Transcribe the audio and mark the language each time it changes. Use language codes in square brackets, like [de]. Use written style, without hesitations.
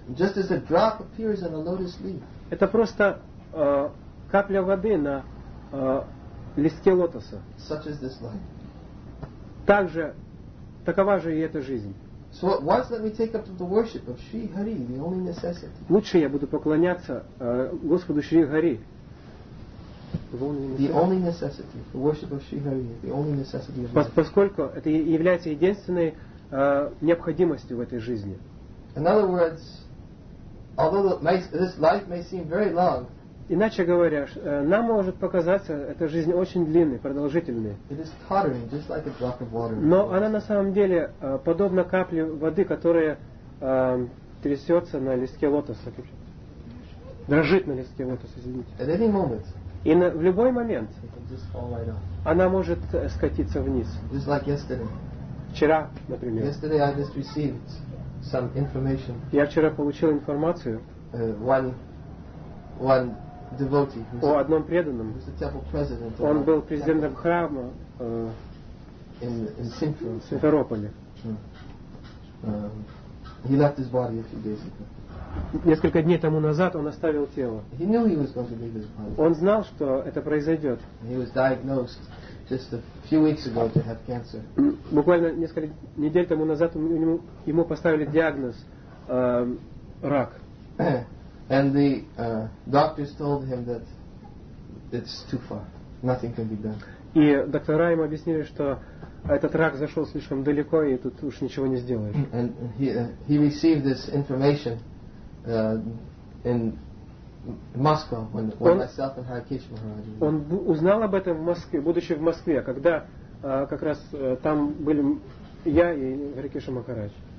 [en] Just as a drop appears on a lotus leaf. [ru] Это просто капля воды на листке лотоса. [en] Such is this life. [ru] Также, такова же и эта жизнь. [en] So at once let me take up the worship of Shri Hari, the only necessity. [ru] Лучше я буду поклоняться Господу Шри Хари. [en] The only necessity. The worship of Shri Hari, the only necessity of life. [ru] Поскольку это является единственной необходимостью в этой жизни. [en] In other words, although this life may seem very long, [ru] иначе говоря, нам может показаться эта жизнь очень длинной, продолжительной. [en] It is tottering, just like a drop of water. [ru] Но она на самом деле подобна капле воды, которая трясется на листке лотоса. Дрожит на листке лотоса, извините. [en] At any moment, [ru] И на, в любой момент она может скатиться вниз. [en] Just like yesterday. [ru] Вчера, например. [en] Yesterday I just received some information. [ru] Я вчера получил информацию [en] one devotee, [ru] о одном преданном. Он был президентом храма [en] in [ru] Симферополе. [en] He left his body a few days ago. [ru] Несколько дней тому назад он оставил тело. [en] He knew he was going to leave his body. [ru] Он знал, что это произойдет. [en] He was diagnosed just a few weeks ago to have cancer. [ru] Буквально несколько недель тому назад ему поставили диагноз рак. [en] And the doctors told him that it's too far. Nothing can be done. [ru] И доктора ему объяснили, что этот рак зашел слишком далеко, и тут уж ничего не сделаешь. [en] And he received this information in Moscow when myself and Hare Krishna Maharaj. [ru] Он узнал об этом в Москве, будучи в Москве, когда как раз там были я и Hare Krishna Maharaj.